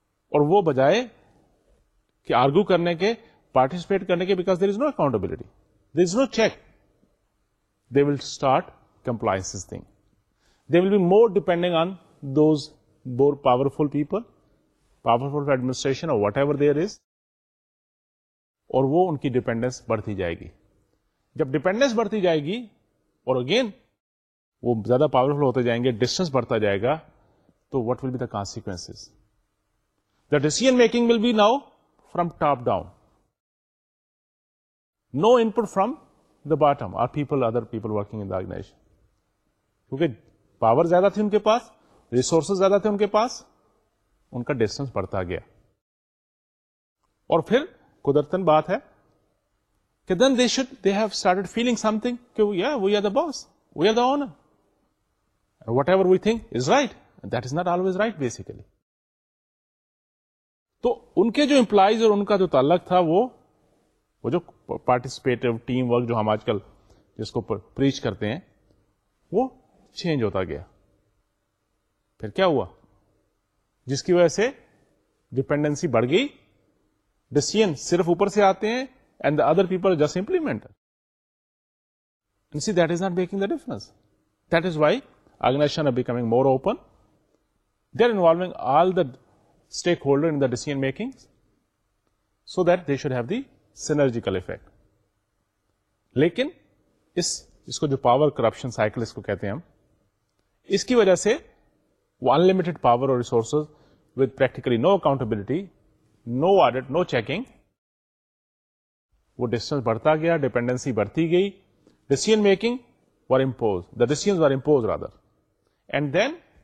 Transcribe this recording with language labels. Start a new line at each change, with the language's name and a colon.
Urdu: Aur woh bajaye ki argue karne ke, participate karne ke,
English: because there is no accountability. There is no check. They will start compliance thing. They will be more depending on those more powerful people. powerful administration or whatever there is
Urdu: اور وہ ان کی dependence بڑھتی جائے گی جب dependence بڑھتی جائے گی اور اگین وہ زیادہ پاورفل ہوتے جائیں گے, ڈسٹینس بڑھتا جائے گا,
English: تو what will be the consequences? The decision making will be now from top down, no input from the bottom or people, other people working in the organization.
Urdu: کیونکہ power زیادہ تھی ان کے پاس, ریسورسز زیادہ تھے ان کے پاس, ان کا ڈسٹینس بڑھتا گیا. اور پھر قدرتن بات ہے کہ
English: Then they should they have started feeling something کہ یار we are the boss, we are the owner, whatever we think is right, that is not always right basically.
Urdu: تو ان کے جو امپلائیز اور ان کا جو تعلق تھا, وہ جو پارٹیسپیٹو ٹیم ورک جو ہم آج کل جس کو پریچ کرتے ہیں, وہ چینج ہوتا گیا. پھر کیا ہوا, جس کی وجہ سے ڈپینڈنسی بڑھ گئی, ڈیسیژن صرف اوپر سے آتے ہیں
English: And the other people just implement. See that is not making the difference. That is why organization are becoming more open, they are involving all the stakeholder in the decision making, so that they should have the synergical effect.
Urdu: لیکن اس کو جو power corruption cycle اس کو کہتے ہیں ہم, اس کی وجہ سے
English: unlimited power or resources with practically no accountability, no audit, no checking, وہ distance بڑھتا گیا, dependency بڑھتی گئی, decision making were imposed, the decisions were imposed rather, and then